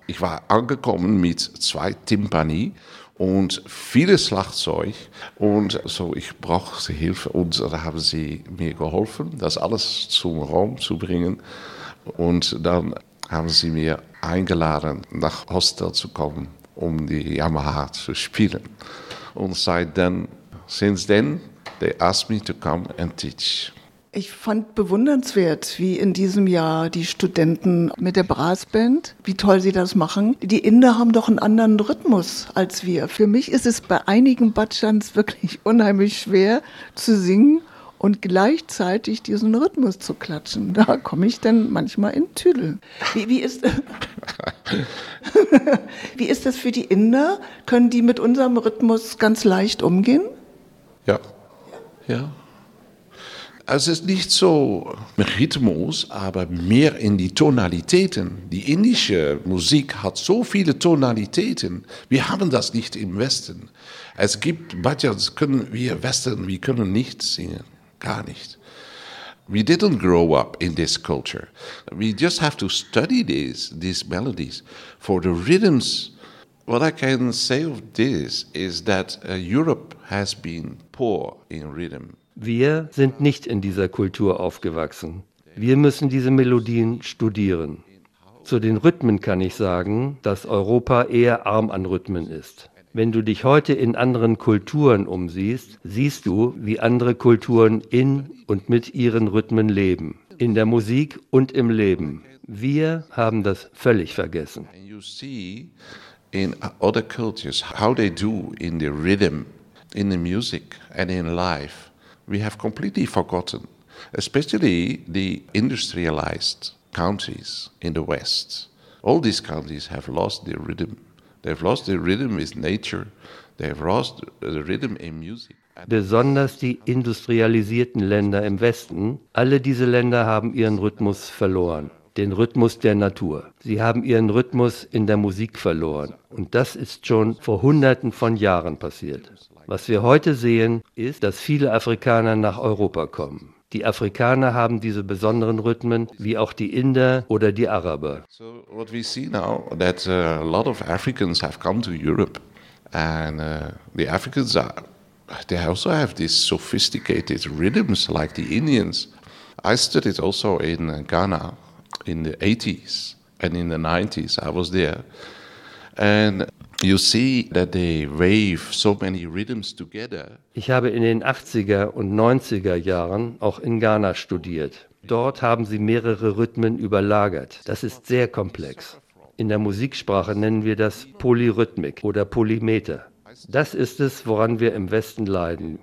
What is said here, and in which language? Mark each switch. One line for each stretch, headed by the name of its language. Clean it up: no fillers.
German: Ich war angekommen mit zwei Timpani und vieles Schlagzeug. Und so, ich brauchte Hilfe und da haben sie mir geholfen, das alles zum Raum zu bringen. Und dann haben sie mir eingeladen, nach Hostel zu kommen. Um die Yamaha zu spielen.
English: Und since then, they asked me to come and teach.
German: Ich fand bewundernswert, wie in diesem Jahr die Studenten mit der Brassband, wie toll sie das machen. Die Inder haben doch einen anderen Rhythmus als wir. Für mich ist es bei einigen Bhajans wirklich unheimlich schwer zu singen und gleichzeitig diesen Rhythmus zu klatschen. Da komme ich dann manchmal in Tüdel. Wie ist das für die Inder? Können die mit unserem Rhythmus ganz leicht umgehen? Ja. Ja. Also es ist nicht so Rhythmus, aber mehr in die Tonalitäten. Die indische Musik hat so viele Tonalitäten. Wir haben das nicht im Westen. Es gibt Bhajans, können wir Westen, wir können nicht singen. Gar nicht.
English: We didn't grow up in this culture. We just have to study these melodies for the rhythms. What I can say of this is that Europe has been poor in rhythm.
German: Wir sind nicht in dieser Kultur aufgewachsen. Wir müssen diese Melodien studieren. Zu den Rhythmen kann ich sagen, dass Europa eher arm an Rhythmen ist. Wenn du dich heute in anderen Kulturen umsiehst, siehst du, wie andere Kulturen in und mit ihren Rhythmen leben, in der Musik und im Leben. Wir haben das völlig vergessen.
English: You see in other cultures how they do in the rhythm, in the music and in life. We have completely forgotten, especially the industrialized countries in the West. All these countries have lost their rhythm. They've lost the rhythm with nature. They've lost the rhythm in music.
German: Besonders die industrialisierten Länder im Westen, alle diese Länder haben ihren Rhythmus verloren, den Rhythmus der Natur. Sie haben ihren Rhythmus in der Musik verloren. Und das ist schon vor Hunderten von Jahren passiert. Was wir heute sehen, ist, dass viele Afrikaner nach Europa kommen. Die Afrikaner haben diese besonderen Rhythmen, wie auch die Inder oder die Araber.
English: So what we see now that a lot of Africans have come to Europe and the Africans they also have these sophisticated rhythms like the Indians. I studied also in Ghana in the 80s and in the 90s I was there. And you see that they wave so many rhythms together.
German: Ich habe in den 80er und 90er Jahren auch in Ghana studiert. Dort haben sie mehrere Rhythmen überlagert. Das ist sehr komplex. In der Musiksprache nennen wir das Polyrhythmik oder Polymeter. Das ist es, woran wir im Westen leiden.